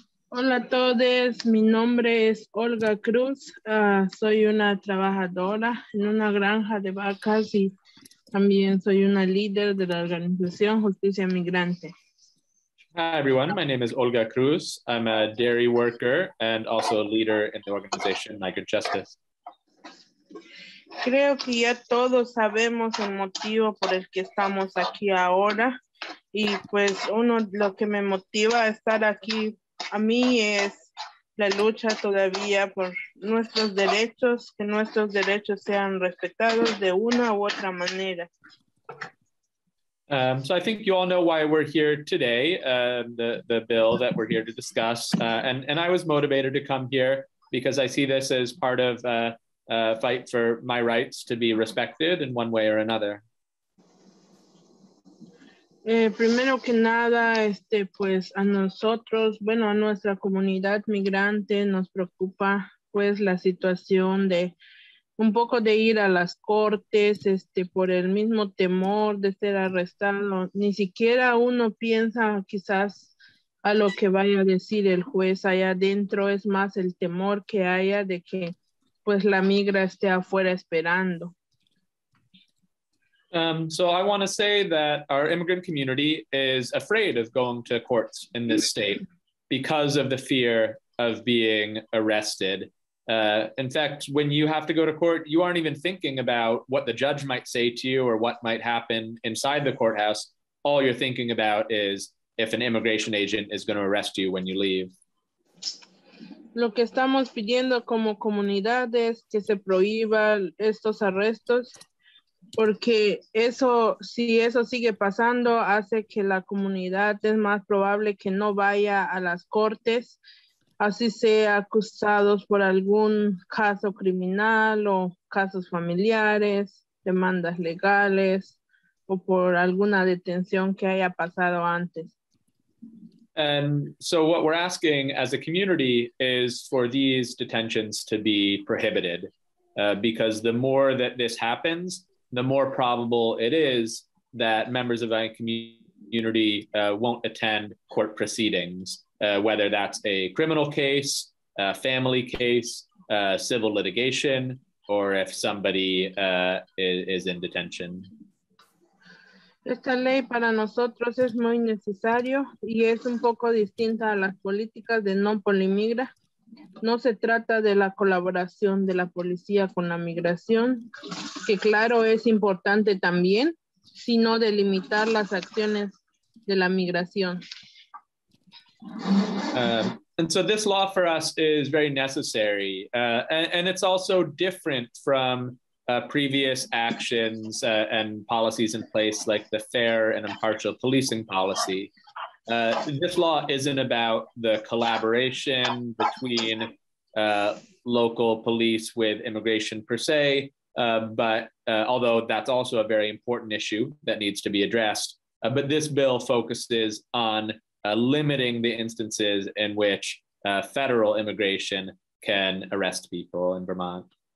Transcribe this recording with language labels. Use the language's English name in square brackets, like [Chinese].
[Spanish] Hola a todos, mi nombre es Olga Cruz. Soy una trabajadora en una granja de vacas y también soy una líder de la organización Justicia Migrante. [English] Hi everyone, my name is Olga Cruz. I'm a dairy worker and also a leader in the organization Migrant Justice. [Spanish] Creo que ya todos sabemos el motivo por el que estamos aquí ahora. Y pues uno, lo que me motiva a estar aquí a mí es la lucha todavía por nuestros derechos, que nuestros derechos sean respetados de una u otra manera. [English] So I think you all know why we're here today, the bill that we're here to discuss. And I was motivated to come here because I see this as part of a fight for my rights to be respected in one way or another. [Spanish] Primero que nada, pues a nosotros, bueno, a nuestra comunidad migrante nos preocupa pues la situación de un poco de ir a las cortes, por el mismo temor de ser arrestado. Ni siquiera uno piensa quizás a lo que vaya a decir el juez allá adentro. Es más el temor que haya de que pues la migra esté afuera esperando. [English] So I want to say that our immigrant community is afraid of going to courts in this state because of the fear of being arrested. In fact, when you have to go to court, you aren't even thinking about what the judge might say to you or what might happen inside the courthouse. All you're thinking about is if an immigration agent is going to arrest you when you leave. [Spanish] Lo que estamos pidiendo como comunidad es que se prohíban estos arrestos, porque eso, si eso sigue pasando, hace que la comunidad es más probable que no vaya a las cortes. Así sea acusados por algún caso criminal o casos familiares, demandas legales o por alguna detención que haya pasado antes. [English] And so what we're asking as a community is for these detentions to be prohibited, because the more that this happens, the more probable it is that members of our community won't attend court proceedings. Whether that's a criminal case, a family case, civil litigation, or if somebody is in detention. [Spanish] Esta ley para nosotros es muy necesario y es un poco distinta a las políticas de no polimigra. No se trata de la colaboración de la policía con la migración, que claro es importante también, sino de limitar las acciones de la migración. [English] And so this law for us is very necessary, and it's also different from previous actions and policies in place, like the fair and impartial policing policy. This law isn't about the collaboration between local police with immigration per se, but although that's also a very important issue that needs to be addressed, but this bill focuses on limiting the instances in which federal immigration can arrest people in Vermont.